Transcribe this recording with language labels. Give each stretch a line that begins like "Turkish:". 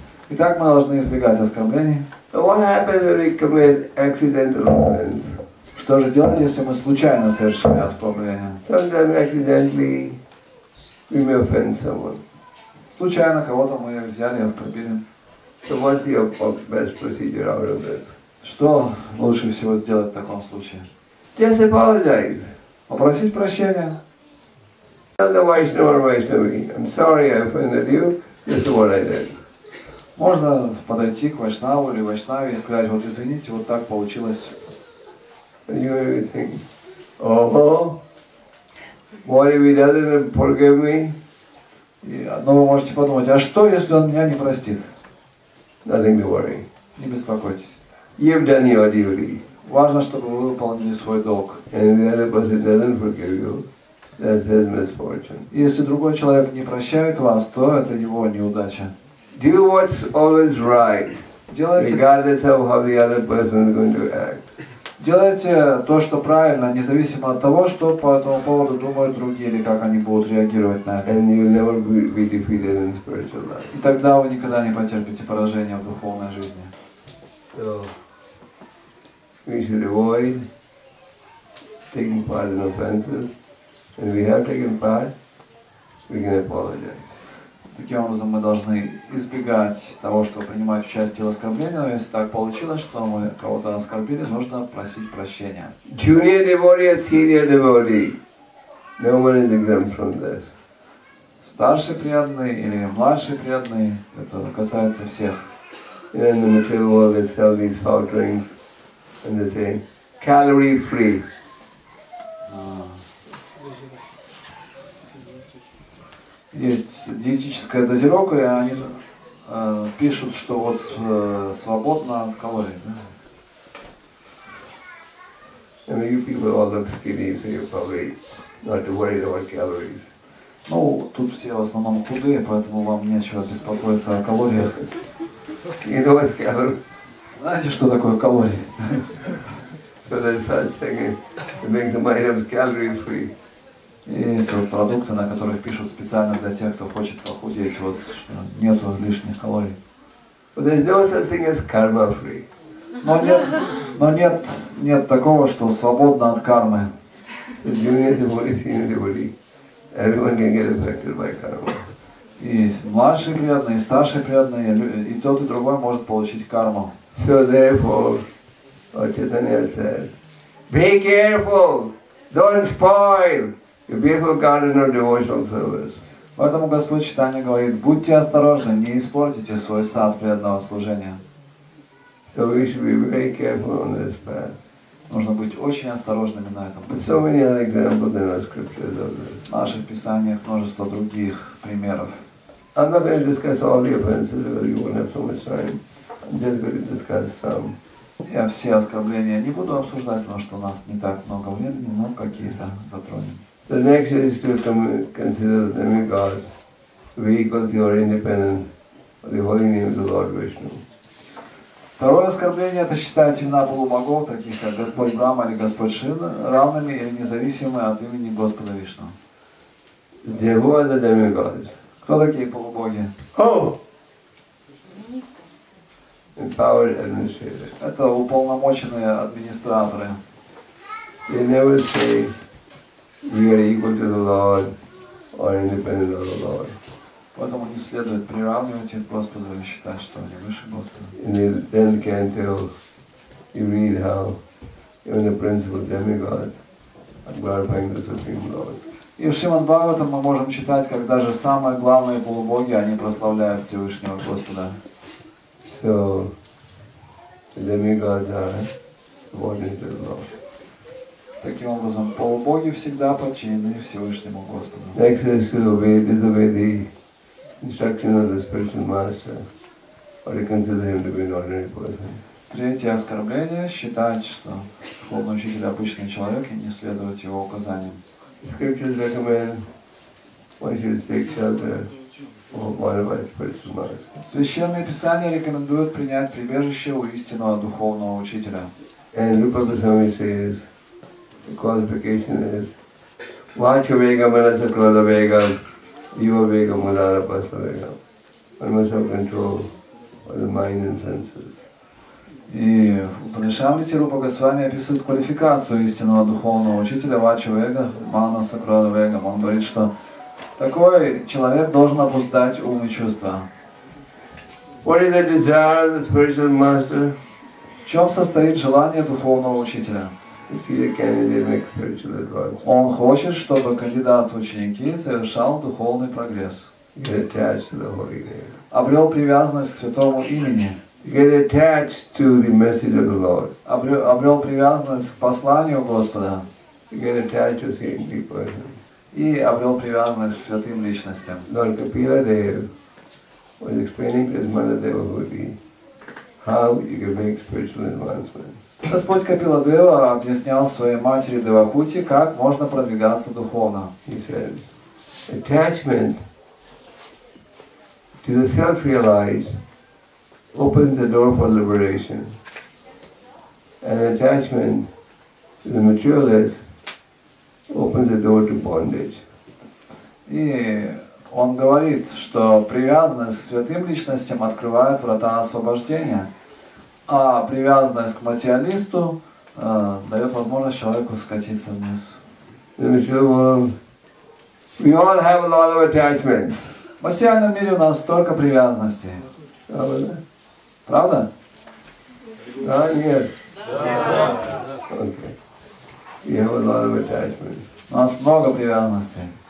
Russian: Итак, мы должны избегать оскорблений. Что же делать, если мы случайно совершили оскорбление?
English: Sometimes accidentally we may offend someone.
Russian: Случайно кого-то мы взяли и оскорбили.
English: So what's your best procedure out of that?
Russian: Что лучше всего сделать в таком случае?
English: Just apologize.
Russian: Попросить прощения.
English: Tell the Vaishnava or Vaishnavi, I'm sorry I offended you, this is what I did.
Russian: Можно подойти к Вайшнаву или Вайшнаве и сказать, вот извините, вот так получилось.
English: And you may think, oh, what if he doesn't forgive me?
Russian: Но вы можете подумать, а что, если он меня не простит?
English: Nothing to worry.
Russian: Не беспокойтесь.
English: You've done your duty.
Russian: Важно, чтобы вы выполнили свой долг.
English: And if the other person doesn't forgive you, that's his misfortune.
Russian: Если другой человек не прощает вас, то это его неудача.
English: Do what's always right, regardless of how the other person is going to act.
Russian: Делайте то, что правильно, независимо от того, что по этому поводу думают другие или как они будут реагировать на это.
English: And you'll never be defeated in spiritual life.
Russian: И тогда вы никогда не потерпите поражение в духовной жизни.
English: So, we should avoid taking part in offenses. And if we have taken part, we can apologize.
Russian: Таким образом, мы должны избегать того, чтобы принимать участие в оскорблении, но если так получилось, что мы кого-то оскорбили, нужно просить прощения.
English: Junior devotee or senior devotee. No one is exempt from this.
Russian: Старший преданный или младший преданный, это касается всех.
English: In the material world, they sell these soft drinks, and they say, calorie free.
Russian: Есть диетическая дозировка, и они пишут, что вот свободно от калорий. Да?
English: I mean, you people all look skinny, so you're probably not too worried about calories.
Russian: Ну, тут все в основном худые, поэтому вам нечего беспокоиться о калориях.
English: You know what's calorie?
Russian: Знаете, что такое калории?
English: So they start saying it makes my items calorie-free.
Russian: Есть вот продукты, на которых пишут специально для тех, кто хочет похудеть, вот что нет вот лишних калорий.
English: But there's no such thing as karma free.
Russian: Но нет такого, что свободно от кармы.
English: Junior devotee, senior devotee. Everyone can get affected by karma.
Russian: Есть младший преданный, старший преданный, и тот и другой может получить карму.
English: So therefore, Chaitanya said, be careful, don't spoil. Your beautiful garden of devotional service.
Russian: Поэтому Господь Читания говорит, будьте осторожны, не испортите свой сад преданного служения.
English: So we should be very careful on this path.
Russian: Нужно быть очень осторожными на этом пути.
English: So many other examples in our scriptures of this.
Russian: В наших писаниях множество других примеров.
English: I'm not going to discuss all the offenses, because you won't have so much time. I'm just going to discuss some.
Russian: Я все оскорбления не буду обсуждать, потому что у нас не так много времени, но какие-то затронем.
English: The next is to consider the demigod, vehicle to your independence, the holy name of the Lord Vishnu.
Russian: Второе оскорбление – это считать имена полубогов, таких как Господь Брама или Господь Шива, равными или независимыми от имени Господа Вишну.
English: Who are the demigods?
Russian: Кто такие полубоги?
English: Who?
Russian: Министр. Это уполномоченные администраторы.
English: They never say we are equal to the Lord or independent of the Lord.
Russian: Поэтому не следует приравнивать их к Господу и считать, что они выше Господа.
English: In the 10th canto, you read how even the principal demigods are glorifying the Supreme Lord.
Russian: И в Шримад-Бхагаватам мы можем читать, как даже самые главные полубоги, они прославляют Всевышнего Господа.
English: So, the demigods are subordinate to the Lord.
Russian: Таким образом, полубоги всегда подчинены Всевышнему Господу.
English: Next is to obey, disobey the instruction of the spiritual master, or you consider him to be an ordinary person.
Russian: Третье оскорбление – считать, что духовный учитель – обычный человек, и не следовать его указаниям.
English: Scriptures recommend one should seek shelter of one of our spiritual masters.
Russian: Священные писания рекомендуют принять прибежище у истинного духовного учителя.
English: And Rupa Goswami says, the qualification is,
Sanskrit: Vacha Vega Manasa Krodha Vega, Jiva Vega Mudara Pasta Vega.
English: One must have control of the mind and senses.
Russian: И в Упанишамрите Рупа Госвами описывает квалификацию истинного духовного учителя
Sanskrit: Вача Вега, Мана Сакрада Вега.
Russian: Он говорит, что такой человек должен обуздать ум и чувства.
English: What is the desire of the spiritual master?
Russian: В чем состоит желание духовного учителя?
English: Is he a candidate make spiritual advance?
Russian: Он хочет, чтобы кандидат в ученики совершал духовный прогресс.
English: Get attached to the holy name.
Russian: Обрел привязанность к святому имени.
English: Get attached to the message of the Lord.
Russian: Обрел привязанность к посланию Господа.
English: Get attached to saintly person.
Russian: И обрел привязанность к святым личностям.
English: Lord Kapila Dev was explaining to his mother Devahuti how you can make spiritual advancement.
Russian: Господь Капила Дева объяснял своей матери Девахути, как можно продвигаться духовно.
English: He said, attachment to the self-realized opens the door for liberation. And attachment to the materialist opens the door to bondage.
Russian: И он говорит, что привязанность к святым личностям открывает врата освобождения, а привязанность к материалисту дает возможность человеку скатиться вниз. The material world, we all have a lot of attachments. В материальном мире у нас столько привязанностей. Правда? Да, нет.
English: Okay. We have a lot of attachments.
Russian: У нас много привязанностей.